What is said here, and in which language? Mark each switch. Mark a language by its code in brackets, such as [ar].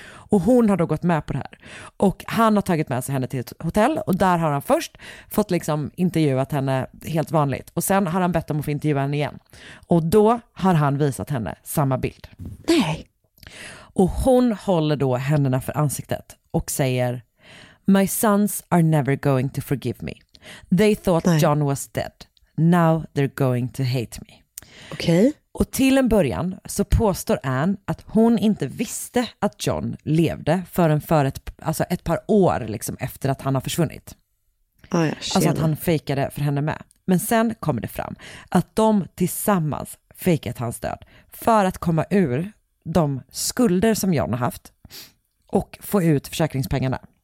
[sv] Och hon har då gått med på det här. Och han har tagit med sig henne till ett hotell och där har han först fått liksom intervjuat henne helt vanligt. Och sen har han bett om att få intervjua henne igen. Och då har han visat henne samma bild. Nej. Och hon håller då händerna för ansiktet och säger: [en] "My sons are never going to forgive me. They thought John was dead. Now they're going to hate me." [sv] Okej. [en] Okay. [sv] Och till en början så påstår Anne att hon inte visste att John levde förrän för ett, alltså ett par år liksom efter att han har försvunnit. Alltså att han fejkade för henne med. Men sen kommer det fram att de tillsammans fejkat hans död för att komma ur de skulder som John har haft och få ut försäkringspengarna.